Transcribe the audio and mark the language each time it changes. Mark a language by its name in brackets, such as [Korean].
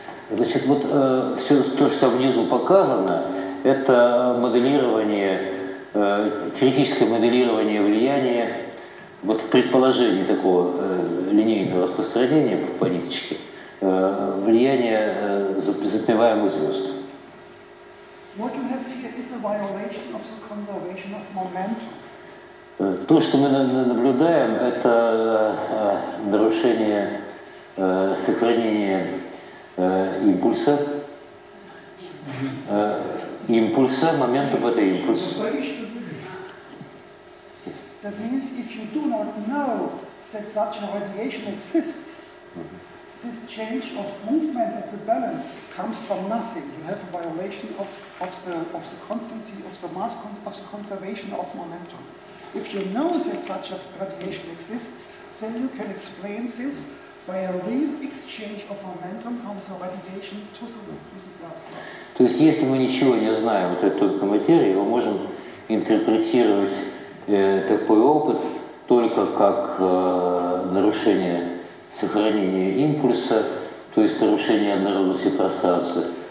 [Russian] Значит, вот все то, что внизу показано, это моделирование, критическое моделирование влияния вот в предположении такого линейного распространения по ниточке, влияния затмеваемых звезд. [English] What you have here is a violation of the conservation of momentum. [Russian] То, что мы наблюдаем, это нарушение сохранения импульса. Импульса, момента в этой импульсе. [English] That means if you do not know that such a radiation exists, this change of movement at the balance comes from nothing. You have a violation of the constancy of the mass of the conservation of momentum. If you know that such a radiation exists, then you can explain this by a real exchange of momentum from the radiation to the glass box. [Russian] То есть, если мы ничего не знаем вот этой тонкой материи, мы можем интерпретировать такой опыт только как нарушение сохранения импульса, то есть нарушение однородности пространства,